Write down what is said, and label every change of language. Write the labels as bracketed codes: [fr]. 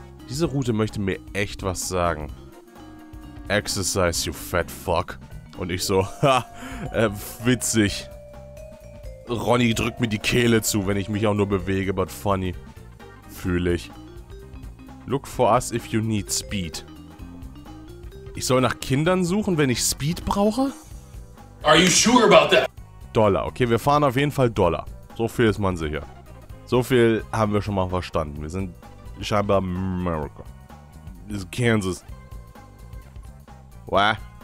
[de] Diese Route möchte mir echt was sagen. [en] Exercise, you fat fuck. [de] Und ich so, ha, witzig. Ronny drückt mir die Kehle zu, wenn ich mich auch nur bewege, [en] but funny. [de] Fühle ich. [en] Look for us if you need speed. [de] Ich soll nach Kindern suchen, wenn ich Speed brauche? [en] Are you sure about that? [de] Dollar, okay, wir fahren auf jeden Fall Dollar. So viel ist man sicher. So viel haben wir schon mal verstanden. Wir sind scheinbar America. Das ist Kansas. [en] What?